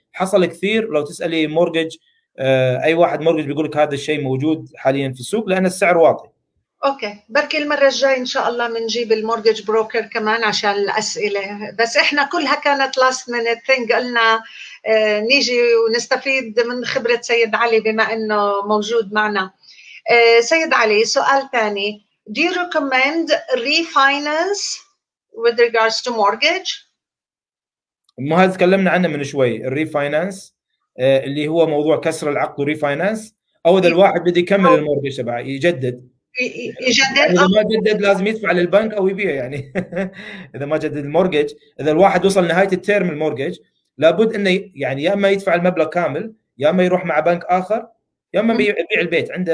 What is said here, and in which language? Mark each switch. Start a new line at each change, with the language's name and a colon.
Arabic: حصل كثير، لو تسالي مورجج اي واحد مورجج بيقول لك هذا الشيء موجود حاليا في السوق لان السعر واطي. اوكي، بركي المرة الجاية ان شاء الله منجيب المورجج بروكر كمان عشان الأسئلة، بس احنا كلها كانت
English: last minute thing،
Arabic: قلنا نيجي ونستفيد من خبرة سيد علي بما انه موجود معنا. سيد علي، سؤال ثاني،
English: do you recommend refinance with regards to mortgage؟
Arabic: ما هذا تكلمنا عنه من شوي، الريفاينانس اللي هو موضوع كسر العقد، ريفاينانس او اذا الواحد بده يكمل المورجج تبعه يجدد. يجدد اذا ما جدد لازم يدفع للبنك او يبيع يعني. اذا ما جدد المورجج، اذا الواحد وصل نهايه التيرم المورجج لابد انه يعني يا اما يدفع المبلغ كامل، يا اما يروح مع بنك اخر، يا اما يبيع البيت.